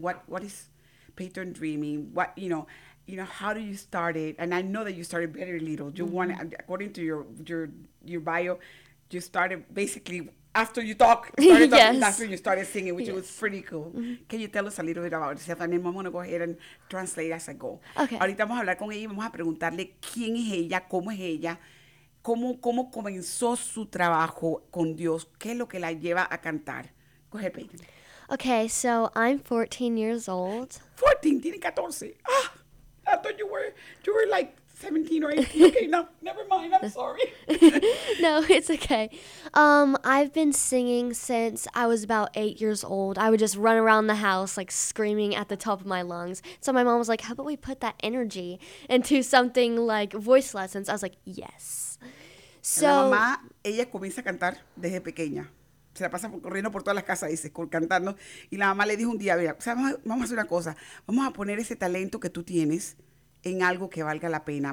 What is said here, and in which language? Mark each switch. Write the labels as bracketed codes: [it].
[en] What is Peyton dreaming? What, you know, how do you start it? And I know that you started very little. You mm-hmm. want, according to your bio, you started basically after you started yes. talking, that's when you started singing, which yes. was pretty cool. Mm-hmm. Can you tell us a little bit about yourself? And then I'm going to go ahead and translate as I go. Okay. [es] Ahorita vamos a hablar con ella y vamos a preguntarle quién es ella, cómo es ella, cómo comenzó su trabajo con Dios, qué es lo que la lleva a cantar. [en] Go ahead, Peyton. Okay, so I'm 14 years old. 14, [es] tiene 14. [en] Ah, I thought you were like 17 or 18. Okay, no, never mind, I'm sorry. No, it's okay. I've been singing since I was about 8 years old. I would just run around the house, like, screaming at the top of my lungs. So my mom was like, how about we put that energy into something like voice lessons? I was like, yes. [es] So la mamá, ella comienza a cantar desde pequeña. Se la pasa corriendo por todas las casas, dice, cantando. Y la mamá le dijo un día, mira, o sea, vamos a hacer una cosa. Vamos a poner ese talento que tú tienes en algo que valga la pena.